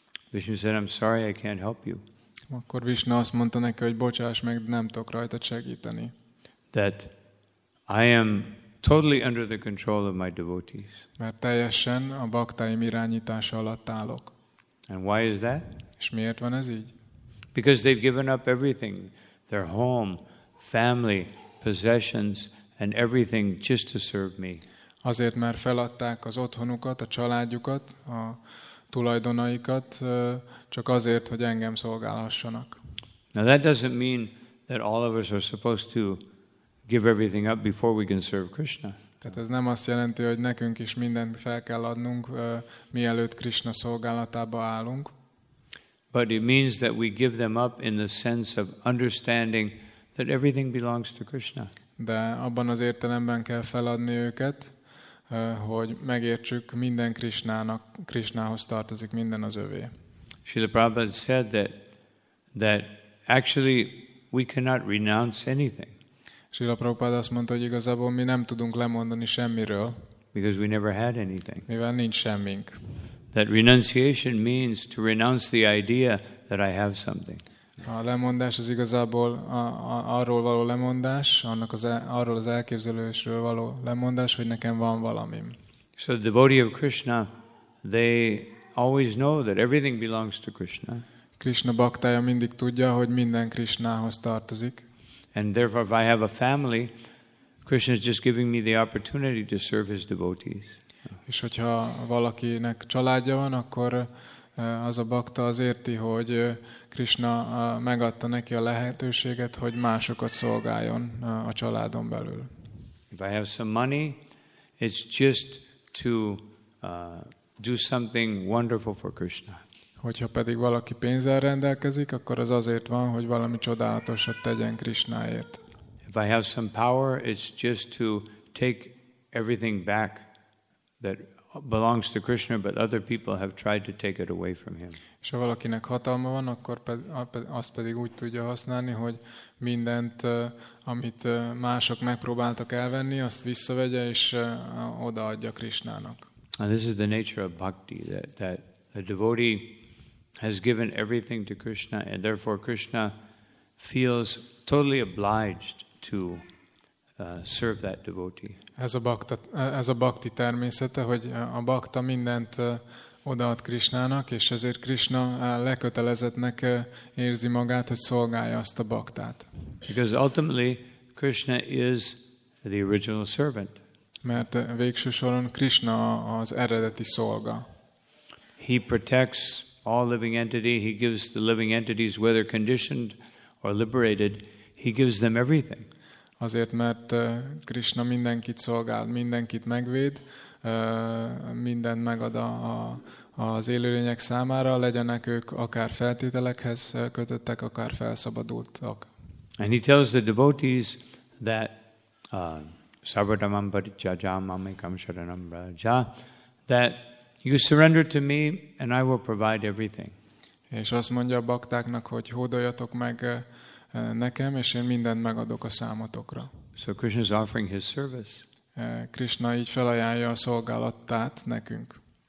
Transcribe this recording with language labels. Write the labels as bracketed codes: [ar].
[en] Vishnu said, I'm sorry, I can't help you. [hu] Akkor Vishnu azt mondta neki, hogy bocsáss meg, nem tudok rajta segíteni. [en] That I am totally under the control of my devotees. [hu] Mert teljesen a baktáim irányítása alatt állok. [en] And why is that? [hu] És miért van ez így? [en] because they've given up everything, their home, family, possessions, and everything just to serve me. [hu] Azért, mert feladták az otthonukat, a családjukat, a tulajdonaikat, csak azért, hogy engem szolgálhassanak. [en] Now that doesn't mean that all of us are supposed to give everything up before we can serve Krishna. [hu] Tehát ez nem azt jelenti, hogy nekünk is mindent fel kell adnunk, mielőtt Krishna szolgálatába állunk. [en] But it means that we give them up in the sense of understanding that everything belongs to Krishna. [hu] De abban az értelemben kell feladni őket, hogy megértsük, minden Krishnának, Krishnához tartozik, minden az övé. [en] Srila Prabhupada said that actually we cannot renounce anything. [hu] Srila Prabhupada azt mondta, hogy igazából mi nem tudunk lemondani semmiről, [en] because we never had anything. [hu] Mivel nincs semmink. [en] That renunciation means to renounce the idea that I have something. [hu] A lemondás az igazából arról való lemondás, annak az arról az elképzelésről való lemondás, hogy nekem van valamim. [en] So the devotee of Krishna, they always know that everything belongs to Krishna. [hu] Krishna baktája mindig tudja, hogy minden Krishnához tartozik. [en] And therefore, if I have a family, Krishna is just giving me the opportunity to serve his devotees. [hu] És hogyha valakinek családja van, akkor az a bakta az érti, hogy Krishna megadta neki a lehetőséget, hogy másokat szolgáljon a családon belül. [en] If I have some money, it's just to do something wonderful for Krishna. [hu] Hogyha pedig valaki pénzzel rendelkezik, akkor az azért van, hogy valami csodálatosat tegyen Krishnáért. [en] If I have some power, it's just to take everything back that belongs to Krishna, but other people have tried to take it away from him. [hu] És ha valakinek hatalma van, akkor azt pedig úgy tudja használni, hogy mindent, amit mások megpróbáltak elvenni, azt visszavegye és odaadja Krishnának. [en] And this is the nature of bhakti, that a devotee has given everything to Krishna, and therefore Krishna feels totally obliged to serve that devotee. [hu] Ez a bhakti természete, hogy a bhakta mindent odaad Krishnának, és ezért Krishna lekötelezettnek érzi magát, hogy szolgálja azt a bhaktát. [en] Because ultimately Krishna is the original servant. [hu] Mert végső soron Krishna az eredeti szolga. [en] He protects all living entity, he gives the living entities, whether conditioned or liberated, he gives them everything. [hu] Azért, mert Krishna mindenkit szolgál, mindenkit megvéd, mindent megad az élőlények számára, legyenek ők akár feltételekhez kötöttek, akár felszabadultak. [en] And he tells the devotees that [sa] sarvadamam parityajam amekam saranam braja, [en] that you surrender to me and I will provide everything. [hu] És azt mondja a baktáknak, hogy hódoljatok meg nekem, és én mindent megadok a számotokra. [en] So Krishna is offering his service. [hu] Krishna így felajánlja a szolgálatát nekünk.